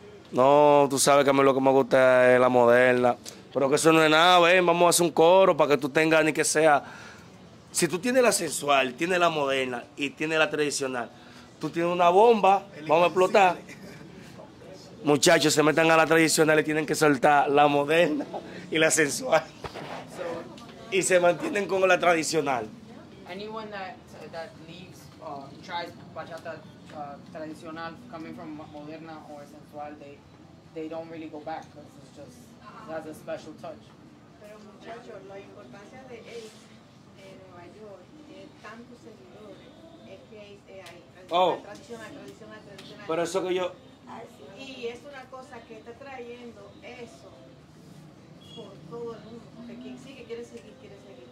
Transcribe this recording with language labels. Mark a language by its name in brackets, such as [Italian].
[Spanish] No, tú sabes que a mí lo que me gusta es la moderna. Pero que eso no es nada, ven, vamos a hacer un coro para que tú tengas ni que sea. Si tú tienes la sensual, tienes la moderna y tienes la tradicional, tú tienes una bomba, vamos a explotar. Muchachos, se metan a la tradicional y tienen que soltar la moderna y la sensual. Y se mantienen con la tradicional. [English] Anyone that leaves, tries bachata tradicional coming from moderna or sensual, they don't really go back because it's just, it has a special touch. [Spanish] Pero muchachos, la importancia de Ace en Nueva York es tanto seguidor, es que Ace es ahí. Tradicional. Pero eso que yo... Y es una cosa que está trayendo eso por todo el mundo, porque quien sigue, quiere seguir, quiere seguir.